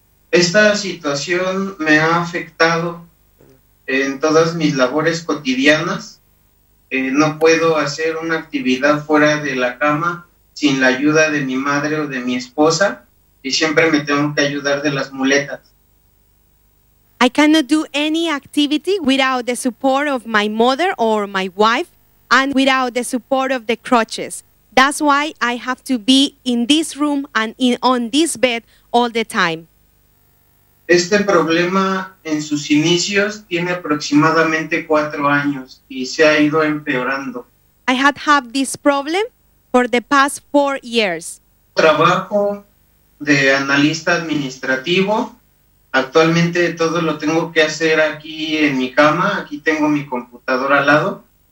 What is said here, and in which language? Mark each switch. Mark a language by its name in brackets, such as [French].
[Spanish] Esta situación me ha afectado en todas mis labores cotidianas. No puedo hacer una actividad fuera de la cama sin la ayuda de mi madre o de mi esposa, y siempre me tengo que ayudar de las muletas. [English] I cannot do any activity without the support of my mother or my wife and without the support of the crutches. That's why I have to be in this room and on this bed all the time. [Spanish] Este problema en sus inicios tiene aproximadamente 4 años y se ha ido empeorando. [English] I had have this problem for the past 4 years. [Spanish] Trabajo de analista administrativo. Actualmente todo lo tengo que hacer aquí en mi cama. Aquí tengo mi computadora al lado.